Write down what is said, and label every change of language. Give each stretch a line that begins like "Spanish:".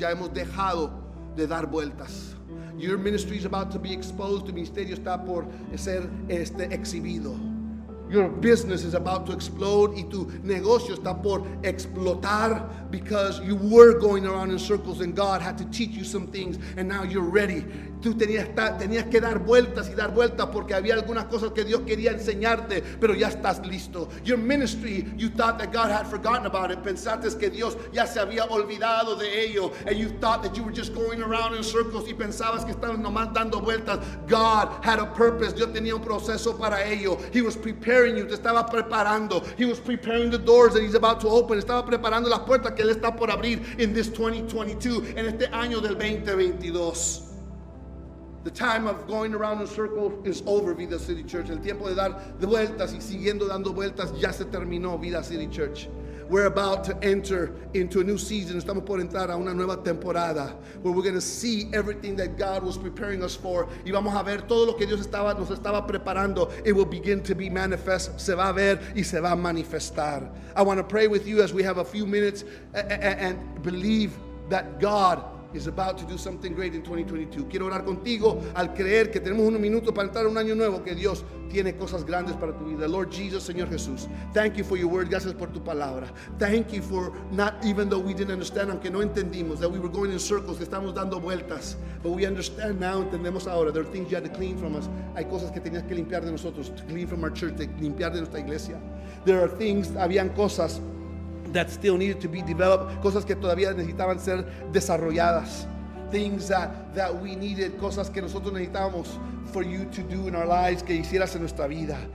Spanish: Ya hemos dejado de dar vueltas.
English: Your ministry is about to be exposed.
Spanish: Tu ministerio está por ser exhibido.
English: Your business is about to explode,
Spanish: y tu negocio está por explotar,
English: because you were going around in circles and God had to teach you some things and now you're ready.
Spanish: Tú tenías que dar vueltas y dar vueltas porque había algunas cosas que Dios quería enseñarte, pero ya estás listo.
English: Your ministry, you thought that God had forgotten about it.
Spanish: Pensaste que Dios ya se había olvidado de ello,
English: and you thought that you were just going around in circles,
Spanish: y pensabas que estabas nomás dando vueltas.
English: God had a purpose.
Spanish: Dios tenía un proceso para ello.
English: He was preparing you.
Spanish: Te estaba preparando.
English: He was preparing the doors that he's about to open.
Spanish: Estaba preparando las puertas que él está por abrir
English: in this 2022,
Spanish: en este año del 2022.
English: The time of going around in circles is over, Vida City Church.
Spanish: El tiempo de dar vueltas y siguiendo dando vueltas ya se terminó, Vida City Church.
English: We're about to enter into a new season.
Spanish: Estamos por entrar a una nueva temporada,
English: where we're going to see everything that God was preparing us for.
Spanish: Y vamos a ver todo lo que Dios estaba, nos estaba preparando.
English: It will begin to be manifest.
Spanish: Se va a ver y se va a manifestar.
English: I want to pray with you as we have a few minutes, and believe that God is about to do something great in 2022.
Spanish: Quiero orar contigo al creer que tenemos unos minutos para entrar a un año nuevo, que Dios tiene cosas grandes para tu vida.
English: Lord Jesus,
Spanish: Señor Jesús,
English: thank you for your word.
Spanish: Gracias por tu palabra.
English: Thank you for not, even though we didn't understand,
Spanish: aunque no entendimos,
English: that we were going in circles,
Spanish: que estamos dando vueltas.
English: But we understand now,
Spanish: entendemos ahora,
English: there are things you had to clean from us.
Spanish: Hay cosas que tenías que limpiar de nosotros,
English: to clean from our church,
Spanish: de limpiar de nuestra iglesia.
English: There are things,
Spanish: habían cosas
English: that still needed to be developed,
Spanish: cosas que todavía necesitaban ser desarrolladas,
English: things that we needed,
Spanish: cosas que nosotros necesitábamos
English: for you to do in our lives,
Spanish: que hicieras en nuestra vida.